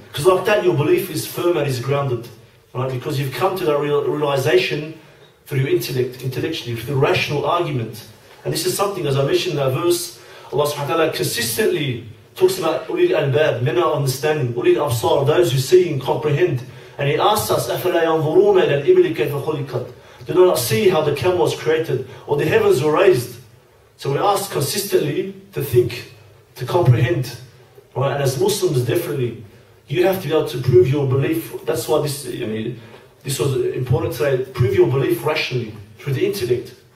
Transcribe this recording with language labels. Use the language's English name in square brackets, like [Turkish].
[English] Because like that, your belief is firm and is grounded. Right? Because you've come to that realization through your intellect, intellectually, through rational argument. And this is something, as I mentioned in that verse, Allah subhanahu wa ta'ala consistently talks about ulil albab, men are understanding, ulil absar, those who see and comprehend. [Arabic] And He asks us, أَفَلَا يَنْظُرُونَ إِلَى الْإِبْلِ كَيْفَ خُلِقَتْ. [English] Do not see how the camel was created, or the heavens were raised. So we're asked consistently to think, to comprehend, right? And as Muslims, definitely, you have to be able to prove your belief. That's why this was important today. Prove your belief rationally, through the intellect.